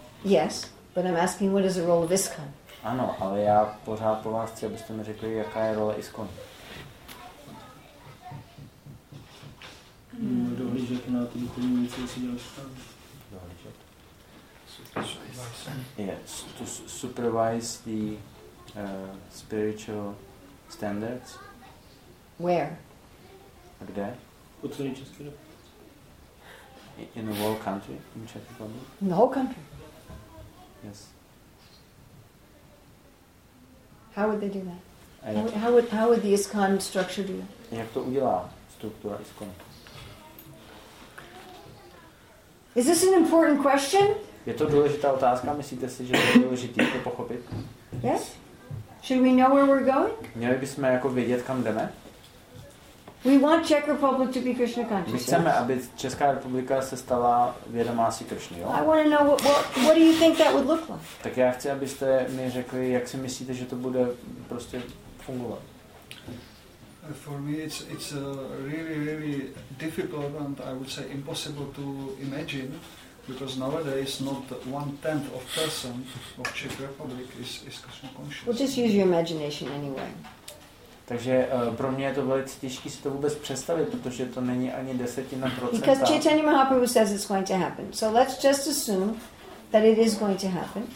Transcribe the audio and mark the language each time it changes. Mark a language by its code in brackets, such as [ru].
[en] Yes, but I'm asking what is the role of ISKCON? [cs] Ano, ale já pořád po vás chci, abyste mi řekli, jaká je role ISKCON. Dohlížet na ty úplně věci, co si děláš tam. Dohlížet. [en] Yes, to supervise the spiritual standards. Where? [cs] Kde? U celé České republiky. [en] In the whole country, in Czech Republic. In the whole country. Yes. How would they do that? How would the ISKCON structure do that? [cs] Jak to udělá struktura ISKCON? [en] Is this an important question? [cs] Je to důležitá otázka, myslíte si, že je důležité to pochopit? [en] Yes. Should we know where we're going? [cs] Měli bychom jako vědět, kam jdeme? [en] We want Czech Republic to be Krishna conscious. [cs] My chceme, aby Česká republika se stala vědomá si Krishna, jo? [en] I want to know what do you think that would look like? [cs] Tak já chci, abyste mi řekli, jak si myslíte, že to bude prostě fungovat. [en] For me it's a really really difficult and I would say impossible to imagine. Because nowadays not 1/10 of person of Czech Republic is Krishna conscious. Well, just use your imagination anyway. [cs] Takže pro mě je to velice těžké si to vůbec představit, protože to není ani 10%. [en] Because Chaitanya Mahaprabhu says it's going to happen. So let's just assume that it is going to happen.